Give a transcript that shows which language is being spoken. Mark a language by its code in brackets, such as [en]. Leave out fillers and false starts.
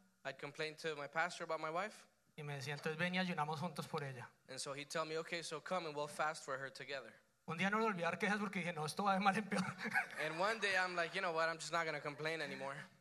[en] I'd complain to my pastor about my wife. [es] Y me decía, entonces ven y ayunamos juntos por ella. [en] And so he'd tell me, okay, so come and we'll fast for her together. [es] Un día no le olvidé quejas porque dije, no, esto va de mal en peor. [en] And one day I'm like, you know what, I'm just not going to complain anymore.